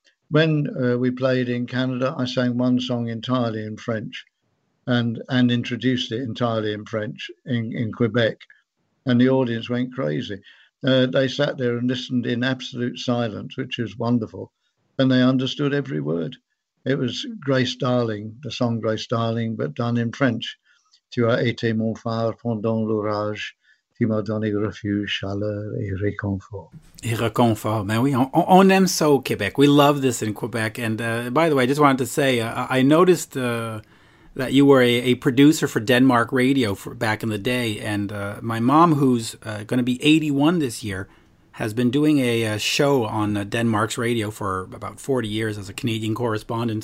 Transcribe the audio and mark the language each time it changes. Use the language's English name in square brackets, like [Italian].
[English] When we played in Canada, I sang one song entirely in French, and introduced it entirely in French in Quebec. And the audience went crazy. They sat there and listened in absolute silence, which was wonderful, and they understood every word. It was Grace Darling, the song Grace Darling, but done in French. [French] Tu as été mon phare pendant l'orage, tu m'as donné refuge, chaleur et réconfort. [English] Réconfort, man. On aime so Quebec. We love this in Quebec. And by the way, I just wanted to say, I noticed that you were a producer for Denmark Radio back in the day. And my mom, who's going to be 81 this year, has been doing a show on Denmark's radio for about 40 years as a Canadian correspondent.